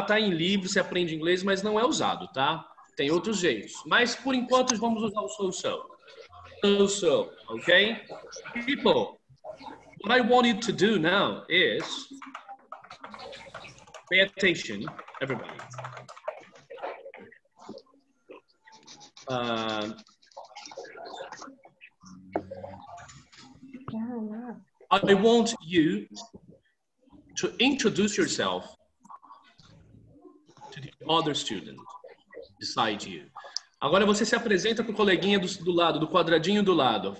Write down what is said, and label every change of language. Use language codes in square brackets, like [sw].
[pt] Tá em livro, você aprende inglês, mas não é usado, tá? Tem outros jeitos, mas por enquanto vamos usar o so, ok? [en] People, what I want you to do now is pay attention, everybody. I want you to introduce yourself to the other student. Beside you. [pt] Agora você se apresenta com o coleguinha do lado, do quadradinho do lado.